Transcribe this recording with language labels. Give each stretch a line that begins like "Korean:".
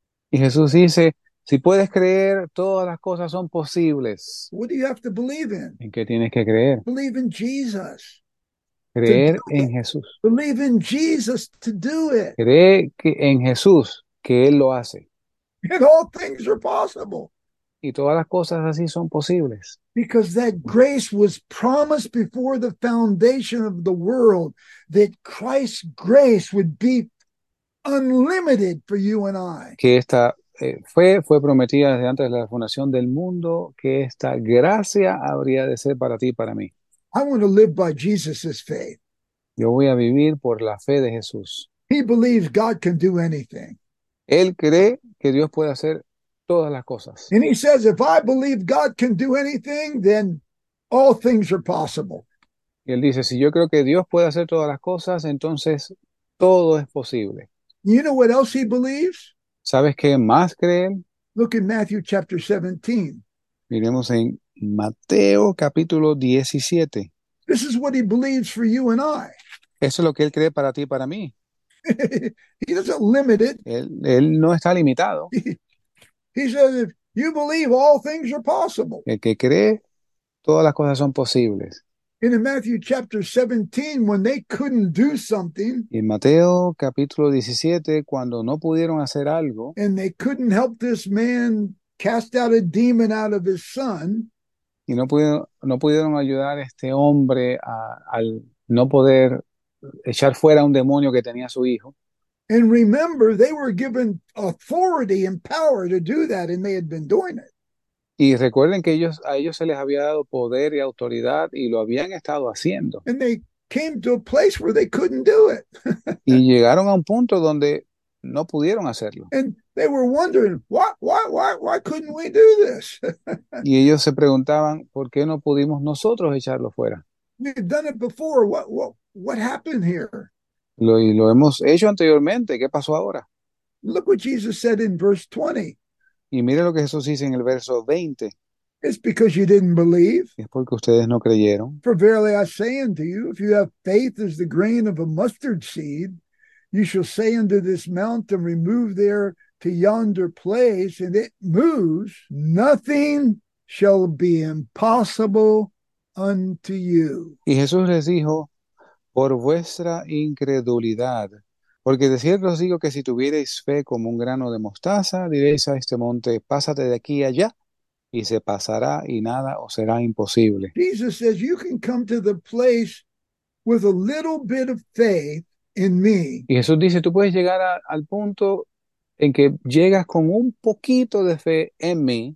Spanish: Y Jesús dice, si puedes creer, todas las cosas son posibles.
English: What do you have to believe in?
Spanish: ¿En qué tienes que creer?
English: Believe in Jesus.
Spanish: Creer en Jesús.
English: Believe in Jesus to do it.
Spanish: Cree que en Jesús, que Él lo hace.
English: And all things are possible.
Spanish: Y todas las cosas así son posibles.
English: Because that grace was promised before the foundation of the world, that Christ's grace would be unlimited for you and I.
Spanish: Que esta fue prometida desde antes de la fundación del mundo, que esta gracia habría de ser para ti y para mí.
English: I want to live by Jesus's faith.
Spanish: Yo voy a vivir por la fe de Jesús.
English: He believes God can do anything.
Spanish: Él cree que Dios puede hacer todas las cosas.
English: And he says, if I believe God can do anything, then all things are possible.
Spanish: Y él dice, si yo creo que Dios puede hacer todas las cosas, entonces todo es posible.
English: You know what else he believes?
Spanish: ¿Sabes qué más cree él?
English: Look in Matthew chapter 17.
Spanish: Miremos en Mateo capítulo 17.
English: This is what he believes for you and I.
Spanish: Eso es lo que él cree para ti y para mí.
English: He doesn't limit it.
Spanish: Él no está limitado.
English: He says, if you believe, all things are possible.
Spanish: El que cree, todas las cosas son posibles.
English: And in Matthew chapter 17, when they couldn't do something,
Spanish: y en Mateo capítulo 17, cuando no pudieron hacer algo,
English: and they couldn't help this man cast out a demon out of his son,
Spanish: y no pudieron ayudar a este hombre al no poder echar fuera un demonio que tenía su hijo.
English: And remember, they were given authority and power to do that, and they had been doing it.
Spanish: Y recuerden que a ellos se les había dado poder y autoridad y lo habían estado haciendo.
English: And they came to a place where they couldn't do it.
Spanish: Y llegaron a un punto donde no pudieron hacerlo.
English: And they were wondering, why couldn't we do this?
Spanish: Y ellos se preguntaban, ¿por qué no pudimos nosotros echarlo fuera?
English: We've done it before. What, what, What happened here?
Spanish: Lo hemos hecho anteriormente. ¿Qué pasó ahora?
English: Look what Jesus said in verse 20.
Spanish: Y mire lo que Jesús dice en el verso 20.
English: It's because you didn't believe.
Spanish: Es porque ustedes no creyeron.
English: For verily I say unto you, if you have faith as the grain of a mustard seed, you shall say unto this mountain, remove there to yonder place, and it moves, nothing shall be impossible unto you.
Spanish: Y Jesús les dijo, por vuestra incredulidad, porque de cierto os digo que si tuviereis fe como un grano de mostaza, diréis a este monte, pásate de aquí allá, y se pasará, y nada os será imposible.
English: Jesus says, you can come to the place with a little bit of faith in me.
Spanish: Y Jesús dice, tú puedes llegar al punto en que llegas con un poquito de fe en mí.